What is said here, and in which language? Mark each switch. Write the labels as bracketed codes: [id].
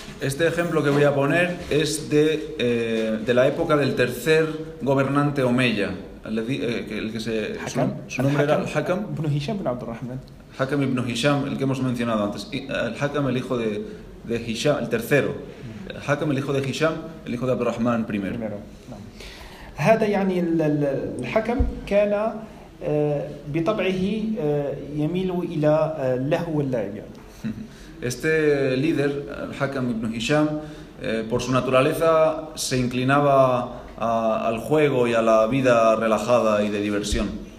[es] Este ejemplo que voy a poner es de la época del tercer gobernante omeya, su nombre era Hakam ibn Hisham ibn Abd al-Rahman. Hakam ibn Hisham, el que hemos mencionado antes. Hakam, el hijo de Hisham, el tercero. Hakam, el hijo de Hisham, el hijo de Abd al-Rahman primero. [ar] هذا يعني الحكم كان بطبعه يميل إلى اللهو واللعب. [es] Este líder, Hakam ibn Hisham, por su naturaleza se inclinaba al juego y a la vida relajada y de diversión.